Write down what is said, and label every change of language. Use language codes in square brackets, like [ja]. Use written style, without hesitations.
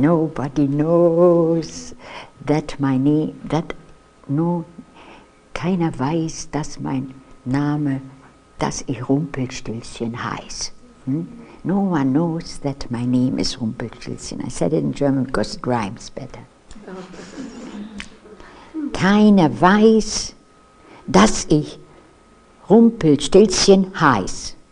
[en] Nobody knows that my name, that no, [de] keiner weiß, dass mein Name, dass ich Rumpelstiltskin heiß. [en] No one knows that my name is Rumpelstiltskin. I said it in German because it rhymes better. [de] Keiner weiß, dass ich Rumpelstiltskin heiß.